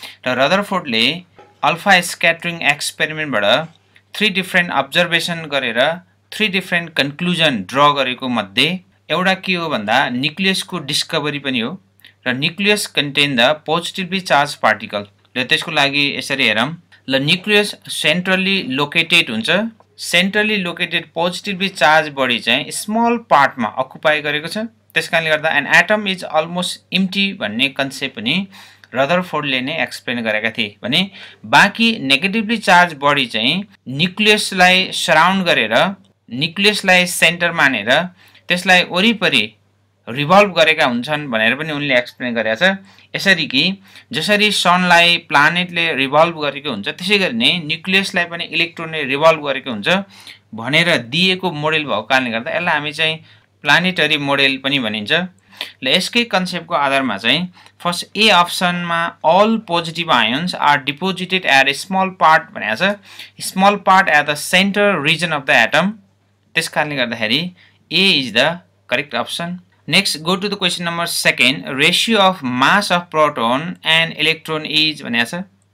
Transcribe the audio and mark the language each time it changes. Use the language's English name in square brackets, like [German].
[Nepali] Ta Rutherford le alpha scattering experiment bada three different observation garera three different conclusion draw gareko madhye एउटा के हो भन्दा न्युक्लियसको discovery पनि हो र nucleus content the positively charge particle. र त्यसको लागि यसरी हेरौँ, ल न्युक्लियस सेन्ट्रल्ली लोकेटेड हुन्छ, सेन्ट्रल्ली लोकेटेड पोजिटिभली चार्ज बडी चाहिँ स्मल पार्टमा अकुपाई गरेको छ, त्यस कारणले गर्दा an atom is almost empty भन्ने कन्सेप्ट पनि रदरफोर्डले नै एक्सप्लेन गरेका थिए। भने बाँकी नेगेटिभली चार्ज बडी चाहिँ न्युक्लियसलाई सराउन्ड गरेर न्युक्लियसलाई सेन्टर मानेर त्यसलाई वरिपरि रिभल्भ गरेका हुन्छन् भनेर पनि उनले एक्सप्लेन गरेका छ। यसरी कि जसरी सनलाई प्लानेटले रिभल्भ गरेको हुन्छ त्यसै गरी नै न्युक्लियसलाई पनि इलेक्ट्रोनले रिभल्भ गरेको हुन्छ भनेर दिएको मोडेल भएको कारणले गर्दा यसलाई हामी चाहिँ प्लानेटरी मोडेल पनि भनिन्छ। ल यसकै कन्सेप्टको आधारमा चाहिँ फर्स्ट ए अप्सनमा [English] all positive ions are deposited at a small part [Nepali] भनेको छ, [English] small part at the centre region of the atom, [Nepali] त्यस कारणले गर्दाखेरि [English] A is the correct option. Next, go to the question number 2. Ratio of mass of proton and electron is A.